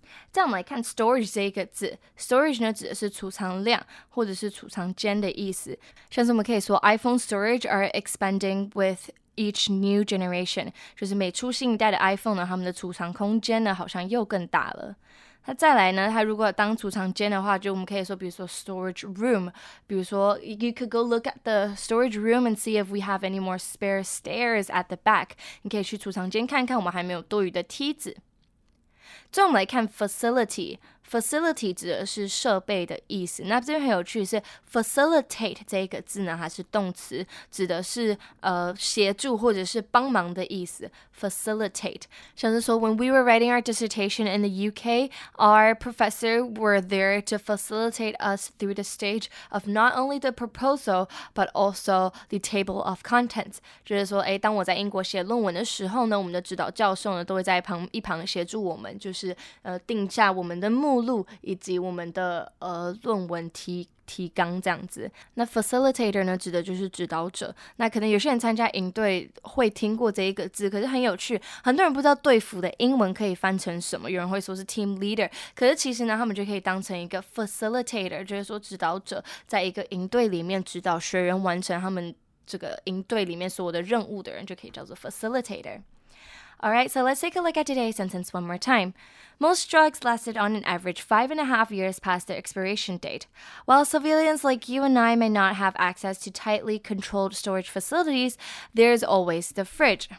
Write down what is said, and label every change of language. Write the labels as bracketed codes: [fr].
[zh] 再我们来看 storage 这一个字， storage 呢指的是储藏量， 或者是储藏间的意思。像是我们可以说 [en] iPhone storage are expanding with each new generation， [zh] 就是每出新一代的 iPhone 呢， 他们的储藏空间呢好像又更大了。那再来呢，它如果当储藏间的话，就我们可以说比如说 storage room， 比如说 [en] you could go look at the storage room and see if we have any more spare stairs at the back， [zh] 你可以去储藏间看看我们还没有多余的梯子。最后我们来看 facility， facility 指的是设备的意思。那这边很有趣是 facilitate 这个字呢，它是动词，指的是协助或者是帮忙的意思。 [en] facilitate， [zh] 像是说 [en] when we were writing our dissertation in the UK， our professor were there to facilitate us through the stage of not only the proposal but also the table of contents。 [zh] 就是说，哎，当我在英国写论文的时候呢，我们的指导教授呢都会在一旁协助我们。就是定下我们的目录以及我们的论文提纲这样子。那 facilitator 呢指的就是指导者。那可能有些人参加营队会听过这一个字，可是很有趣，很多人不知道队服的英文可以翻成什么。有人会说是 team leader， 可是其实呢他们就可以当成一个 facilitator， 就是说指导者在一个营队里面指导学员完成他们这个营队里面所有的任务的人，就可以叫做 facilitator。 [en] Alright, so let's take a look at today's sentence one more time. Most drugs lasted on an average 5.5 years past their expiration date. While civilians like you and I may not have access to tightly controlled storage facilities, there's always the fridge.